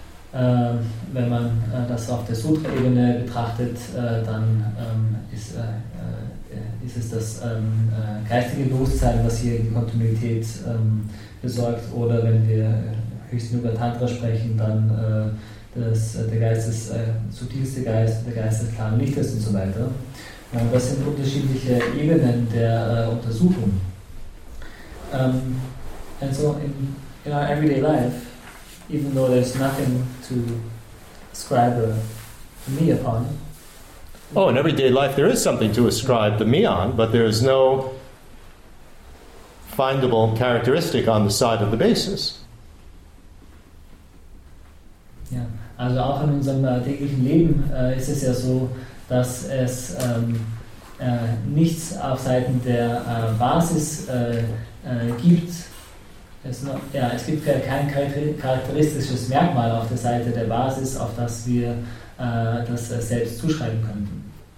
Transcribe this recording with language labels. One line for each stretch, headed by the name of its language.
German: Wenn man das auf der Sutra-Ebene betrachtet, dann ist es das geistige Bewusstsein, was hier die Kontinuität besorgt. Oder wenn wir höchstens über Tantra sprechen, dann der Geist ist subtilste Geist, der Geist des klaren Lichtes und so weiter. Das sind unterschiedliche Ebenen der Untersuchung.
English: And so in our everyday life, even though there's nothing to ascribe a me upon. Oh, in everyday life there is something to ascribe the me on, but there is no findable characteristic on the side of the basis.
German: Ja, also auch in unserem täglichen Leben ist es ja so, dass es nichts auf Seiten der Basis gibt. Es gibt kein charakteristisches Merkmal auf der Seite der Basis, auf das wir das selbst zuschreiben könnten.